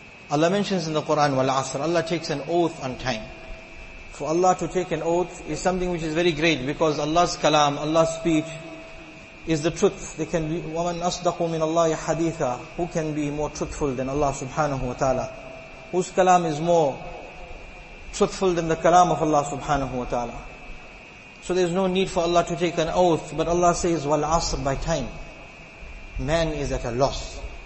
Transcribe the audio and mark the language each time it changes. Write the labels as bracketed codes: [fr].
[en] Allah mentions in the Quran, wal asr, Allah takes an oath on time. For Allah to take an oath is something which is very great because Allah's kalam, Allah's speech, is the truth. They can be [ar] وَمَنْ أَصْدَقُ مِنَ اللَّهِ حَدِيثًا. [en] Who can be more truthful than Allah subhanahu wa ta'ala? Whose kalam is more truthful than the kalam of Allah subhanahu wa ta'ala? So there's no need for Allah to take an oath, but Allah says وَالْعَصْرِ, by time. Man is at a loss.